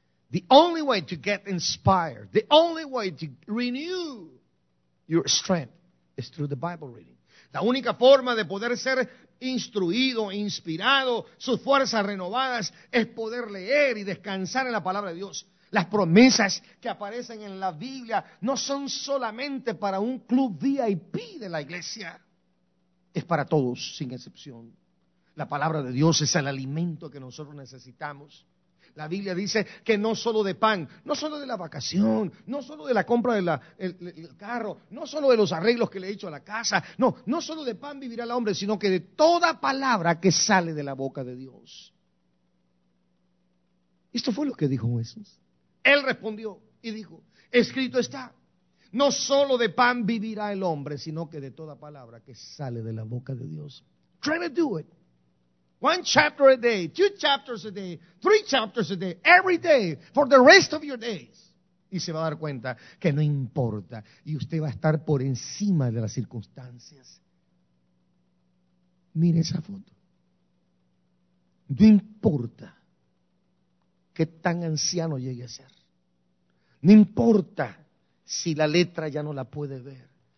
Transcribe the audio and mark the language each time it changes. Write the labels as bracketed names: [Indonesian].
[English] The only way to get inspired, the only way to renew your strength is through the Bible reading. [Spanish] La única forma de poder ser instruido, inspirado, sus fuerzas renovadas, es poder leer y descansar en la palabra de Dios. Las promesas que aparecen en la Biblia no son solamente para un club VIP de la iglesia. Es para todos, sin excepción. La palabra de Dios es el alimento que nosotros necesitamos. La Biblia dice que no solo de pan, no solo de la vacación, no solo de la compra del carro, no solo de los arreglos que le he hecho a la casa, no solo de pan vivirá el hombre, sino que de toda palabra que sale de la boca de Dios. Esto fue lo que dijo Jesús. Él respondió y dijo, escrito está, no solo de pan vivirá el hombre, sino que de toda palabra que sale de la boca de Dios. [English] Try to do it. One chapter a day, two chapters a day, three chapters a day, every day, for the rest of your days. [Spanish] Y se va a dar cuenta que no importa, y usted va a estar por encima de las circunstancias. Mire esa foto. No importa qué tan anciano llegue a ser. No importa si la letra ya no la puede ver.